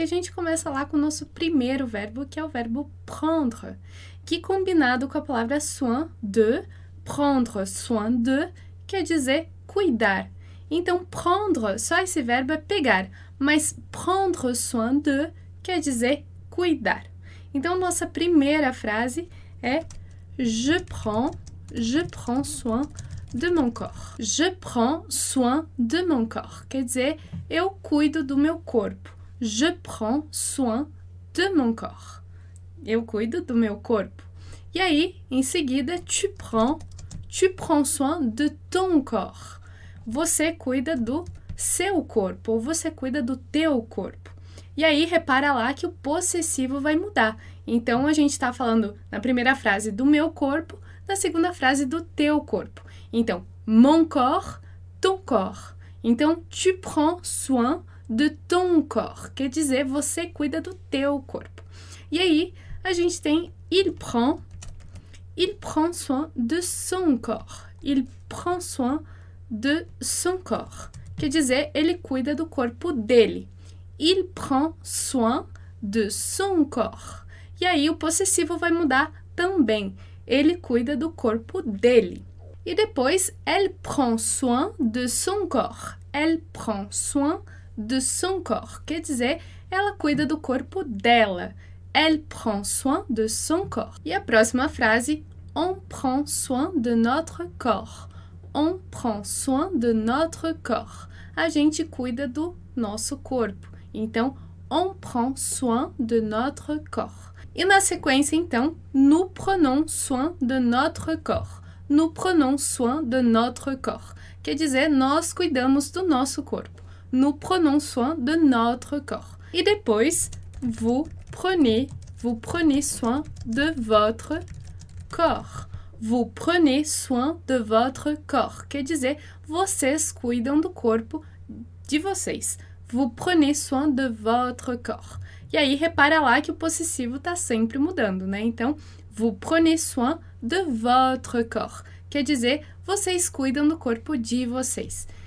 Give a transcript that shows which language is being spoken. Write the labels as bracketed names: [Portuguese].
[Portuguese] A gente começa lá com o nosso primeiro verbo, que é o verbo prendre, que, combinado com a palavra soin de, prendre soin de, quer dizer cuidar. Então, prendre, só esse verbo é pegar, mas prendre soin de quer dizer cuidar. Então, nossa primeira frase é [French] je prends soin de mon corps. Je prends soin de mon corps. [Portuguese] Quer dizer, eu cuido do meu corpo. [French] Je prends soin de mon corps. [Portuguese] Eu cuido do meu corpo. E aí, em seguida, [French] tu prends soin de ton corps. [Portuguese] Você cuida do seu corpo, ou você cuida do teu corpo. E aí, repara lá que o possessivo vai mudar. Então, a gente está falando na primeira frase do meu corpo, na segunda frase do teu corpo. [French] Então, mon corps, ton corps. Então, tu prends soin de ton corps, [Portuguese] quer dizer, você cuida do teu corpo. E aí, a gente tem [French] il prend soin de son corps. Il prend soin de son corps, [Portuguese] quer dizer, ele cuida do corpo dele. [French] Il prend soin de son corps. [Portuguese] E aí, o possessivo vai mudar também. Ele cuida do corpo dele. E depois, [French] elle prend soin de son corps. Elle prend soin de son corps, [Portuguese] quer dizer, ela cuida do corpo dela. [French] Elle prend soin de son corps. [Portuguese] E a próxima frase, [French] on prend soin de notre corps. On prend soin de notre corps. [Portuguese] A gente cuida do nosso corpo. Então, [French] on prend soin de notre corps. [Portuguese] E na sequência, então, [French] nous prenons soin de notre corps. Nous prenons soin de notre corps. [Portuguese] Quer dizer, nós cuidamos do nosso corpo. [French] Nous prenons soin de notre corps. [Portuguese] E depois, [French] vous prenez soin de votre corps. Vous prenez soin de votre corps, [Portuguese] quer dizer, vocês cuidam do corpo de vocês. [French] Vous prenez soin de votre corps. [Portuguese] E aí, repara lá que o possessivo está sempre mudando, né? Então, [French] vous prenez soin de votre corps, [Portuguese] quer dizer, vocês cuidam do corpo de vocês.